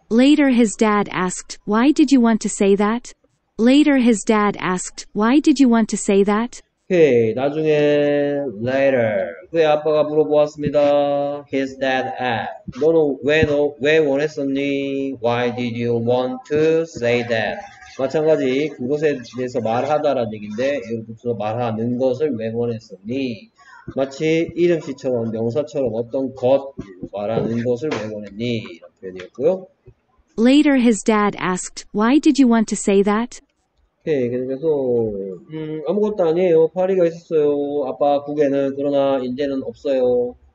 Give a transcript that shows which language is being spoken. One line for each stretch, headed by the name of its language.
English: Later his dad asked, why did you want to say that? Later his dad asked, why did you want to say that? Okay, 나중에 later.
Korean: 그의 아빠가 물어보았습니다.
English: His dad asked,
Korean: 너는 왜 원했었니?
English: Why did you want to say that?
Korean: 마찬가지, 그것에 대해서 말하다라는 얘기인데, 여기서 말하는 것을 왜 원했었니? 마치 이름씨처럼 명사처럼 어떤 것 말하는 것을 왜 원했니? 이런 표현이었고요.
English: Later his dad asked, why did you want to say that?
Korean: 오케이, 계속해서 아무것도 아니에요. 파리가 있었어요. 아빠 국에는 그러나 인제는 없어요.